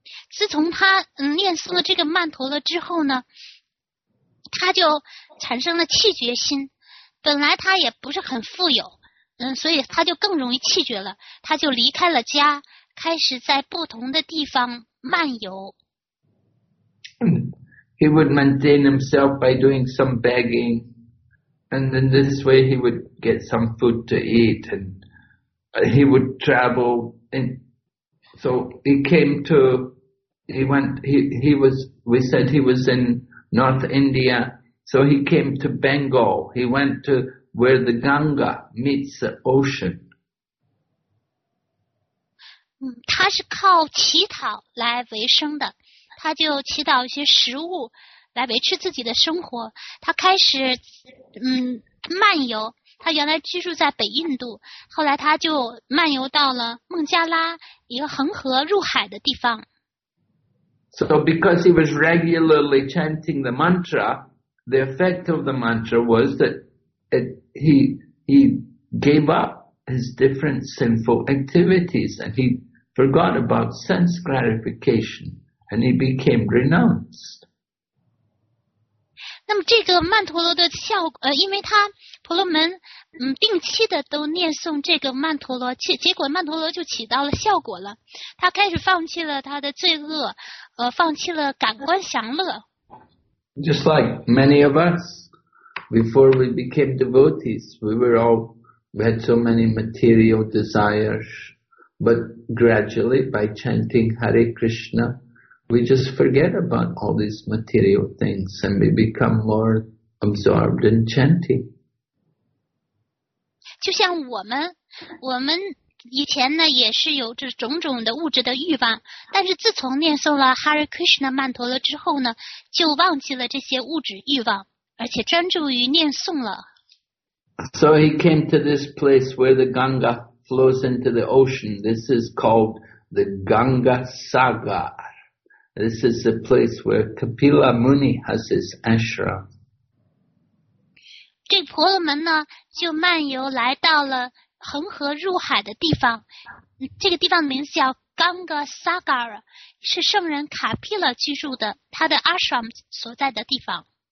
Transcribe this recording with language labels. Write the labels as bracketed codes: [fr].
[zh] 自从他念诵了这个曼陀罗之后呢，他就产生了气绝心。本来他也不是很富有，所以他就更容易气绝了，他就离开了家，开始在不同的地方漫游。 [en] He would maintain himself by doing some begging, and in this way he would get some food to eat, and he would travel. And so he came to, we said he was in North India, so he came to Bengal. He went to where the Ganga meets the ocean. [zh] 他是靠乞讨来维生的，他就乞讨一些食物来维持自己的生活。他开始漫游，他原来居住在北印度，后来他就漫游到了孟加拉一个恒河入海的地方。 [en] So because he was regularly chanting the mantra, the effect of the mantra was that he gave up his different sinful activities and he forgot about sense gratification, and he became renounced. [zh] 那么这个曼陀罗的效果，因为他婆罗门定期的都念诵这个曼陀罗，结果曼陀罗就起到了效果了。他开始放弃了他的罪恶，放弃了感官享乐。 [en] Just like many of us, before we became devotees, we had so many material desires. But gradually, by chanting Hare Krishna, we just forget about all these material things and we become more absorbed in chanting. [zh] 就像我们以前呢也是有这种种的物质的欲望，但是自从念诵了 Hare Krishna 曼陀罗之后呢，就忘记了这些物质欲望，而且专注于念诵了。 [en] So he came to this place where the Ganga flows into the ocean. This is called the Ganga Sagar. This is the place where Kapila Muni has his ashram. [zh] 这婆罗门呢就漫游来到了恒河入海的地方，这个地方名字叫 Ganga Sagar， 是圣人卡毗勒居住的他的 ashram 所在的地方。